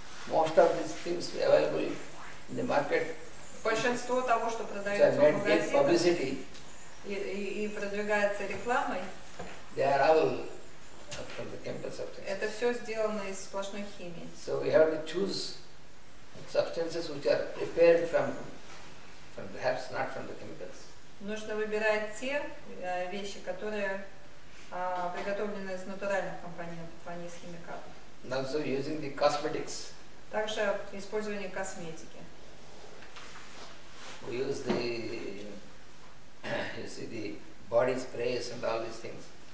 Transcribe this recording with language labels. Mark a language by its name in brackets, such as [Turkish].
[English] Most of these things available in the market. [Russian] Большинство того, что продается в магазинах и продвигается рекламой, [English] they are all from the chemical substances. [Russian] Это все сделано из сплошной химии. [English] So we have to choose substances which are prepared from perhaps not from the chemicals. [Russian] Нужно выбирать те вещи, которые приготовлены из натуральных компонентов, а не из химикатов. [English] And also using the cosmetics. [Russian] Также использование косметики. [English] We use the, you see, the body sprays and all these things.